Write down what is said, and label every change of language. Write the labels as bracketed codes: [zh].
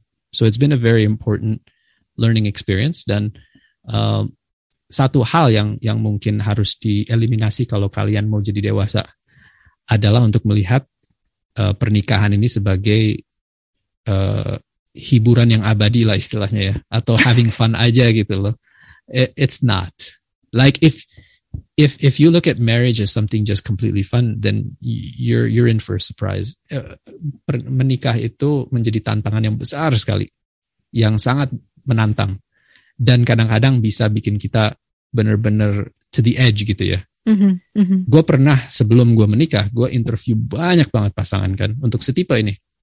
[en] So it's been a very important learning experience, [id] dan satu hal yang mungkin harus dieliminasi kalau kalian mau jadi dewasa adalah untuk melihat pernikahan ini sebagai hiburan yang abadi lah istilahnya ya, atau [en] having fun [id] aja gitu loh. [en] It's not. Like if you look at marriage as something just completely fun, then you're in for a surprise. [id] Menikah itu menjadi tantangan yang besar sekali, yang sangat menantang, dan kadang-kadang bisa bikin kita benar-benar [en] to the edge [id] gitu ya. Gue pernah sebelum gue menikah, gue interview banyak banget pasangan kan untuk setipe ini.